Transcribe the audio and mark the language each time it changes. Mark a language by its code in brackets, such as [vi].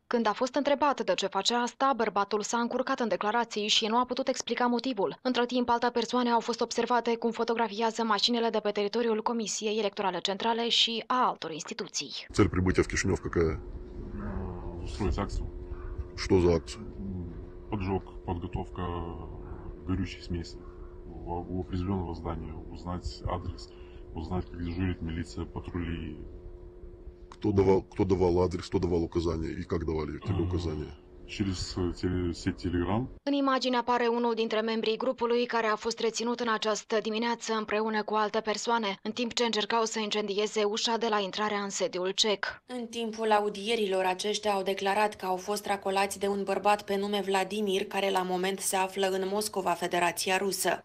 [ro] Când a fost întrebat de ce face asta, bărbatul s-a încurcat în declarații și nu a putut explica motivul. Între timp, alte persoane au fost observate cum fotografiază mașinile de pe teritoriul Comisiei Electorale Centrale și a altor instituții. Cel pribuit în Chișinău, că... Ce [ru] за акция? Поджог, подготовка горючей смеси у определенного здания, узнать адрес, узнать, как дежурит милиция, патрули. Кто давал адрес, кто давал указания и как давали тебе указания? Через сеть Telegram. [ro] În imagine apare unul dintre membrii grupului care a fost reținut în această dimineață împreună cu alte persoane, în timp ce încercau să incendieze ușa de la intrarea în sediul CEC. În timpul audierilor, aceștia au declarat că au fost racolați de un bărbat pe nume Vladimir, care la moment se află în Moscova, Federația Rusă.